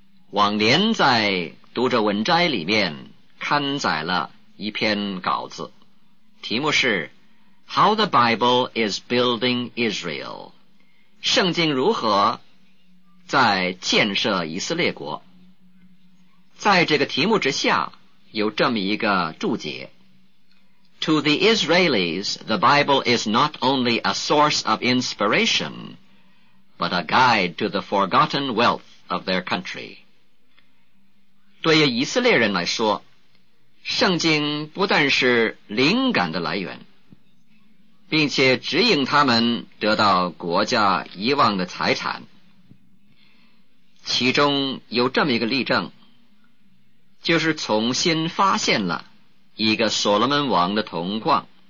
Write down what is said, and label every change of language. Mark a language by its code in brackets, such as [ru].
[zh] 往年在读者文摘里面刊载了一篇稿子，题目是 [en] How the Bible is Building Israel， [zh] 圣经如何在建设以色列国。在这个题目之下有这么一个注解， [en] To the Israelis, the Bible is not only a source of inspiration, but a guide to the forgotten wealth of their country。 [zh] 对于以色列人来说，圣经不但是灵感的来源，并且指引他们得到国家遗忘的财产。其中有这么一个例证，就是重新发现了一个所罗门王的铜矿。